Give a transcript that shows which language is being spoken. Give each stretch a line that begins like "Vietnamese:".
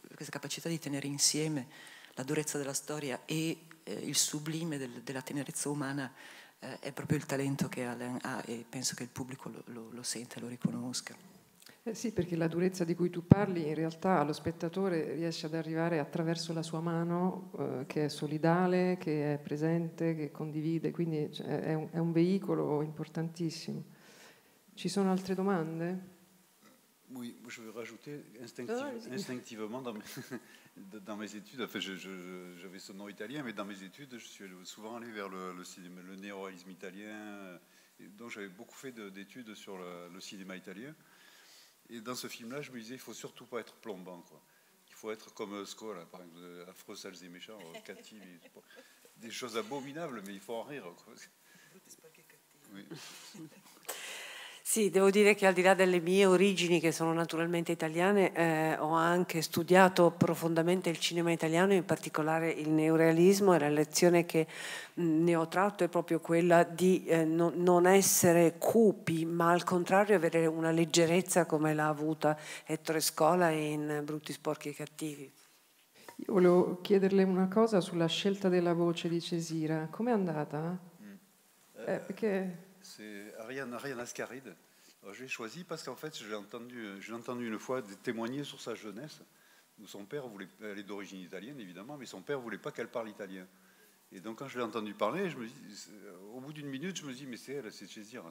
Italian: capacità di tenere insieme la durezza della storia e il sublime della tenerezza umana è proprio il talento che Alain ha, e penso che il pubblico lo senta e lo riconosca. Sì, perché la durezza di cui tu parli in realtà allo spettatore riesce ad arrivare attraverso la sua mano, che è solidale, che è presente, che condivide, quindi è un veicolo importantissimo. Ci sono altre domande?
French: Oui, je veux rajouter instinctivement dans mes études, enfin, j'avais ce nom italien, mais dans mes études, je suis souvent allé vers le cinéma, le néoréalisme italien, donc j'avais beaucoup fait d'études sur le cinéma italien. Et dans ce film-là, je me disais, il faut surtout pas être plombant, quoi. Il faut être comme Scola, par exemple, affreux, sales et méchants, Cathy, des choses abominables, mais il faut en rire, quoi. Oui.
Italian: Sì, devo dire che al di là delle mie origini, che sono naturalmente italiane, ho anche studiato profondamente il cinema italiano, in particolare il neorealismo, e la lezione che ne ho tratto è proprio quella di non essere cupi, ma al contrario avere una leggerezza come l'ha avuta Ettore Scola in Brutti, Sporchi e Cattivi. Io volevo chiederle una cosa sulla scelta della voce di Cesira. Com'è andata? Perché...
French: C'est Ariane Ascaride. Alors, je l'ai choisi parce qu'en fait, j'ai entendu une fois témoigner sur sa jeunesse. Où son père voulait, elle est d'origine italienne, évidemment, mais son père ne voulait pas qu'elle parle italien. Et donc, quand je l'ai entendu parler, au bout d'une minute, je me dis, mais c'est elle, c'est Cesira.